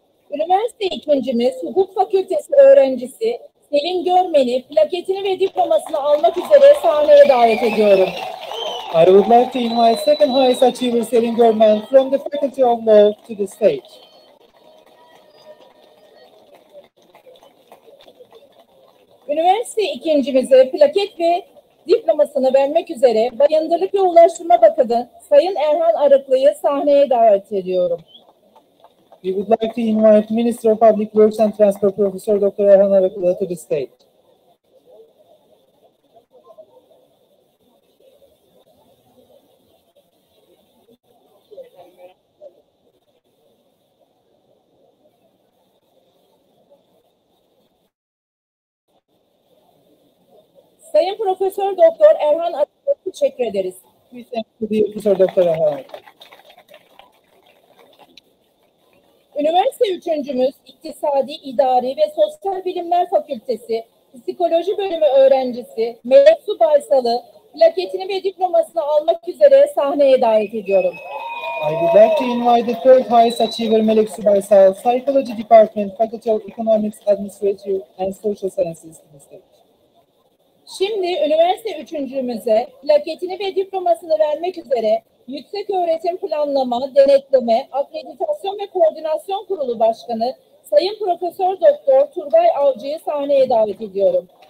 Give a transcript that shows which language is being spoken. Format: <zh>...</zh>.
<tr>Üniversite ikincimiz Hukuk Fakültesi öğrencisi Selim Görmen'i plaketini ve diplomasını almak üzere sahneye davet ediyorum.</tr> <en>I would like to invite second highest achiever Selin Görmen from the Faculty of Law to the stage.</en> <tr>Üniversite ikincimize plaket ve diplomasını vermek üzere Bayındırlık ve Ulaştırma Bakanı Sayın Erhan Arıklı'yı sahneye davet ediyorum.</tr> <en>We would like to invite Minister of Public Works and Transport Professor Dr. Erhan Arıklı to the stage.</en> <tr>Sayın Profesör Doktor Erhan Arıklı, teşekkür ederiz. Profesör Doktor Erhan Arıklı. Üniversite üçüncümüz İktisadi, İdari ve Sosyal Bilimler Fakültesi Psikoloji Bölümü öğrencisi Mevsu Baysal'ı plaketini ve diplomasını almak üzere sahneye davet ediyorum.</tr> <en>I would like to invite the third highest achiever Melek Subaysal, Psychology Department, Faculty of Economics, Administrative and Social Sciences to the stage.</en> <tr>Şimdi üniversite üçüncümüze plaketini ve diplomasını vermek üzere Yüksek Öğretim Planlama, Denetleme, Akreditasyon ve Koordinasyon Kurulu Başkanı Sayın Profesör Doktor Turgay Avcı'yı sahneye davet ediyorum.</tr>